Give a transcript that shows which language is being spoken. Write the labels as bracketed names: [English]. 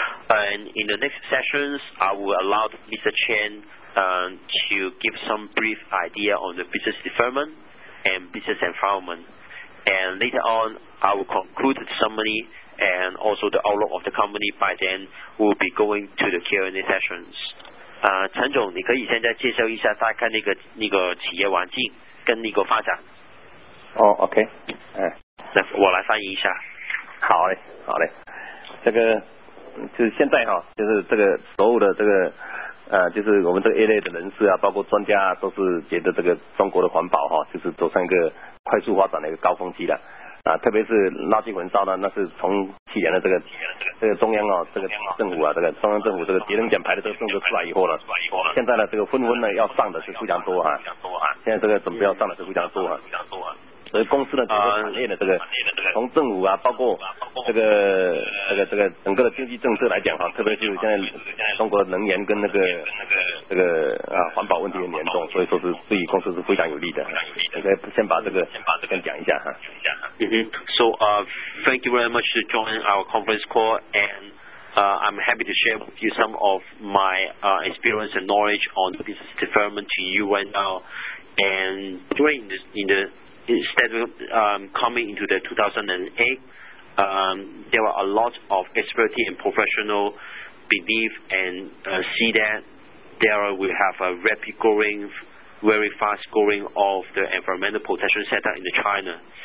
[English] And in the next sessions, I will allow Mr. Chen to give some brief idea on the business development and business environment. And later on, I will conclude the summary and also the outlook of the company. By then, we'll be going to the Q&A sessions. [Chinese] 陈总，你可以现在介绍一下大概那个企业环境跟那个发展。哦、oh, ，OK，那我来翻译一下。好嘞，好嘞。这个就是现在哈、哦，就是这个所有的这个就是我们这个 A 类的人士啊，包括专家、啊、都是觉得这个中国的环保哈、哦，就是走上一个快速发展的一个高峰期了。啊，特别是垃圾焚烧呢，那是从去年的这个中央啊、哦，这个政府啊，这个中央政府这个节能减排的这个政策出来以后呢，现在呢这个纷纷呢要上的是非常多啊，现在这个准备要上的是非常多啊，所以公司的整个产业的这个从政府啊，包括这个整个的经济政策来讲哈、啊，特别是现在中国的能源跟那个啊环保问题很严重，所以说是对于公司是非常有利的。你可以先把这个跟讲一下哈、啊。 [English] So thank you very much to join our conference call, and I'm happy to share with you some of my experience and knowledge on business development to you right now. And during this, instead of coming into the 2008, there were a lot of expertise and professional belief and see that there we have a rapid growing, very fast growing of the environmental protection sector in China.